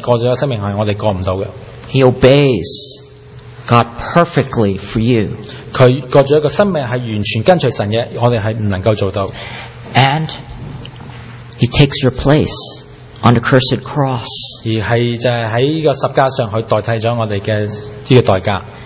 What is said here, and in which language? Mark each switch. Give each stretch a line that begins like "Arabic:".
Chinese: 就是说，他透过耶稣基督，他过了一个生命，过了一个生命是我们过不到的。
English: He obeys God perfectly for you.
Chinese: 他过了一个生命是完全跟随神的，我们是不能够做到。
English: And he takes your place on the cursed cross.
Chinese: 而是就是在这个十架上去代替了我们的这个代价。